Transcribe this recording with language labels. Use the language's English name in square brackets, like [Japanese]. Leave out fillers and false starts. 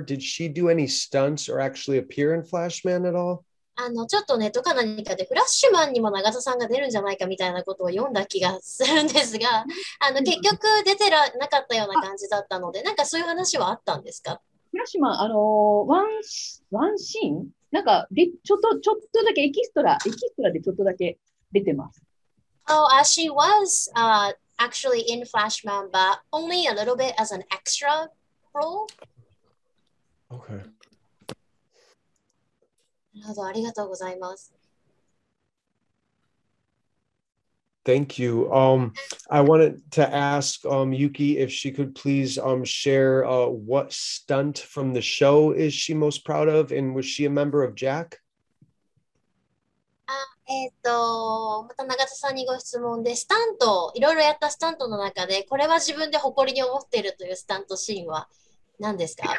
[English] Did she do any stunts or actually appear in Flashman at all? [Japanese] ちょっとネットか何かでフラッシュマンにも永田さんが出るんじゃないかみたいなことを読んだ気がするんですが、結局出てらなかったような感じだったので、なんかそういう話はあったんですか？フラッシュマン、ワンシーン？なんかで、ちょっとだけエキストラでちょっとだけ出てます。 [English] Oh, she was actually in Flashman, but only a little bit as an extra role. Okay. [Japanese] なるほど、ありがとうございます。 [English] Thank you. I wanted to ask Yuki if she could please share what stunt from the show is she most proud of, and was she a member of Jack? [Japanese] また永田さんにご質問で、スタント、いろいろやったスタントの中で、これは自分で誇りに思っているというスタントシーンは何ですか？